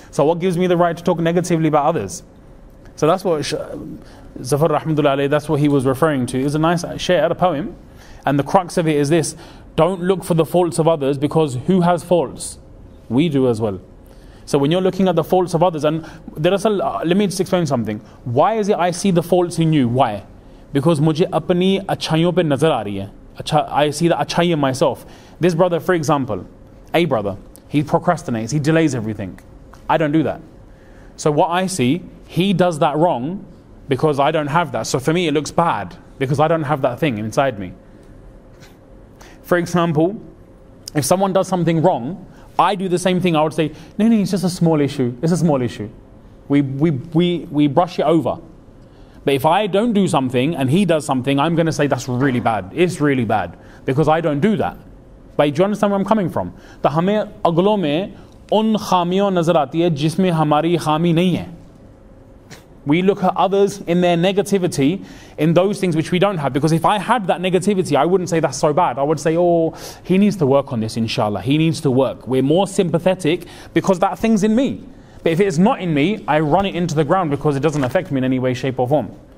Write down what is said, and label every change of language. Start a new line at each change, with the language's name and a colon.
English: So what gives me the right to talk negatively about others? So that's what Zafar Rahmatullah Alayhi, that's what he was referring to. It's a nice share, a poem. And the crux of it is this. Don't look for the faults of others, because who has faults? We do as well. So when you're looking at the faults of others, and dharasal, let me just explain something. Why is it I see the faults in you? Why?
Urdu: Because مجھے اپنی اچھائیوں پے نظر آ رہی ہے.
English: I see the achhai in myself. This brother, for example, a brother, he procrastinates, he delays everything. I don't do that. So what I see, he does that wrong because I don't have that. So for me, it looks bad because I don't have that thing inside me. For example, if someone does something wrong, I do the same thing. I would say, no, it's just a small issue. It's a small issue. We brush it over. But if I don't do something and he does something, I'm going to say that's really bad. It's really bad because I don't do that. But do you understand where I'm coming from?
Urdu: تا ہمیں اگلوں میں ان خامیوں نظر آتی ہے جسمیں ہماری خامی نہیں ہے.
English: We look at others in their negativity, in those things which we don't have. Because if I had that negativity, I wouldn't say that's so bad. I would say, oh, he needs to work on this, inshallah. He needs to work. We're more sympathetic because that thing's in me. But if it's not in me, I run it into the ground because it doesn't affect me in any way, shape or form.